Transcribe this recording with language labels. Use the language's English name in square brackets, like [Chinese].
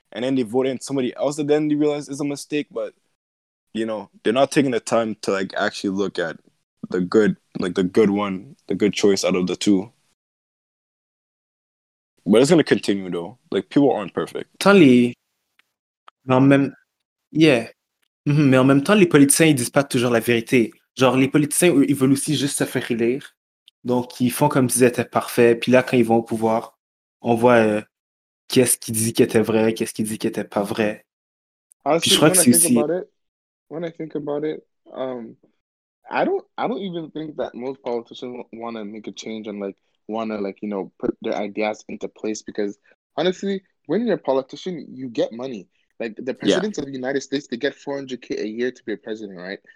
[English] And then they vote in somebody else and then they realize it's a mistake. But, you know, they're not taking the time to like actually look at the good, like the good one, the good choice out of the two. But it's gonna continue though. Like, people aren't perfect. [French] Tant les. Mais en même. Yeah. Mais en même temps, les politiciens, ils disent pas toujours la vérité. Genre, les politiciens, eux, ils veulent aussi juste se faire élire. Donc, ils font comme s'ils étaient parfaits. Puis là, quand ils vont au pouvoir, on voit qu'est-ce qui dit qui était vrai, qu'est-ce qui dit qui était pas vrai. Puis je crois que c'est aussi. [English] when I think about it, I don't even think that most politicians want to make a change and like want to like put their ideas into place because honestly, when you're a politician, you get money. Like the presidents of the United States, they get 400K a year to be a president, right?